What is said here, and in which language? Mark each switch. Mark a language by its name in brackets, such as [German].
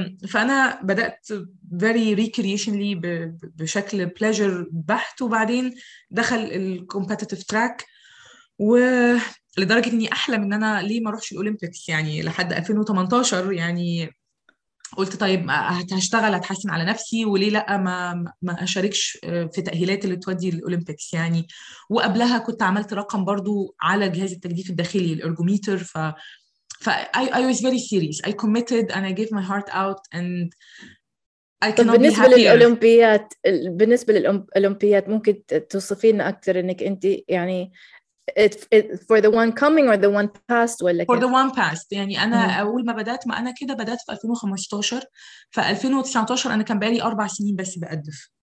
[Arabic] فأنا بدأت [English] very recreationally [Arabic] بشكل [English] pleasure [Arabic] بحت، وبعدين دخل الكومبتيتيف تراك، ولدرجة اني احلم ان انا ليه ما اروحش الاولمبيكس يعني لحد 2018. يعني قلت طيب هشتغل هتحسن على نفسي، وليه لا ما اشاركش في تأهيلات اللي تودي الاولمبيكس يعني. وقبلها كنت عملت رقم برضو على جهاز التجديف الداخلي الارجوميتر. [English] I was very serious. I committed and I gave my heart out and I cannot be happier. [Arabic] للأولمبيات، بالنسبة للأولمبيات ممكن توصفين أكثر إنك أنت يعني [English] for the one coming or the one past [Arabic] ولا [English] for the one past. [Arabic] يعني أنا أول ما بدأت، ما أنا كده بدأت في 2015، ف 2019 أنا كان بقالي 4 سنين بس بقدف.